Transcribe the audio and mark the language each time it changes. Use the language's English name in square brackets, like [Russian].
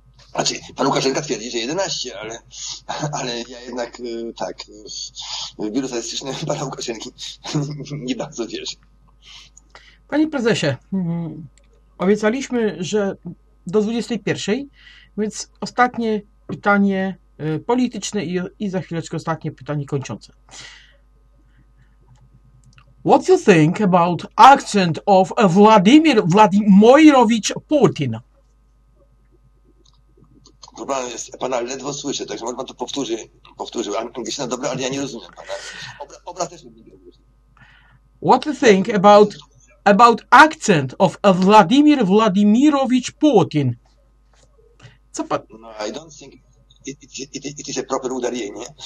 [Polish] Znaczy, pan Łukaszenka twierdzi, że 11, ale ja jednak tak, w biuro statystyczne pana Łukaszenki nie bardzo wierzę. Panie prezesie, obiecaliśmy, że do 21, więc ostatnie pytanie polityczne i za chwileczkę ostatnie pytanie kończące. [English] What do you think about accent of Vladimirovich Putin? [Polish] Problem jest, pana ledwo słyszę, także może pan to powtórzył. Angielski na dobre, ale ja nie rozumiem pana. Obraz też nie rozumiem. [English] What do you think about accent of Vladimir Vladimirovich Putin. [Polish] Co pan? [English] No, I don't think it is a proper udarienie.